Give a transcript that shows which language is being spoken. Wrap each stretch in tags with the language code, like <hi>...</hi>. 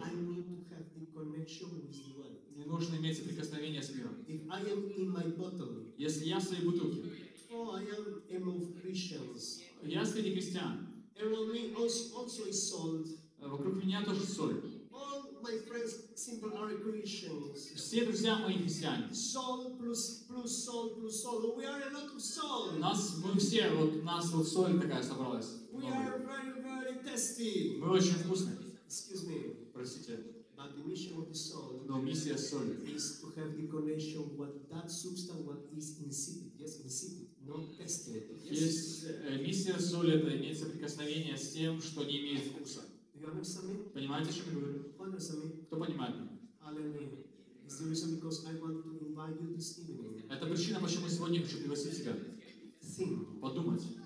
<en>I need to have the connection with the world.</en> <ru>Мне нужно иметь соприкосновение с миром.</ru> <en>If I am in my bottle,</en> <ru>если я в своей бутылке,</ru> <en>oh, I am among Christians.</en> <ru>Я среди христиан.</ru> <en>Around me also is salt.</en> <ru>Вокруг меня тоже соль.</ru> <en>All my friends simply are Christians.</en> <ru>Все друзья мои христиане.</ru> <en>Salt plus salt plus salt. We are a lot of salt.</en> <ru>Нас вот соль такая собралась.</ru> <en>We are very, very tasty.</en> <ru>Мы очень вкусные.</ru> <en>Excuse me.</en> <ru>Простите.</ru> <en>But the mission of the soul.</en> <ru>No, миссия соли.</ru> <en>Is to have the connection what that substance what is insipid. Yes, insipid.</en> <ru>Есть миссия соли — это иметь соприкосновение с тем, что не имеет вкуса. Понимаете, о чем я говорю? Кто понимает меня? Это причина, почему я сегодня хочу пригласить тебя. Подумать.</ru>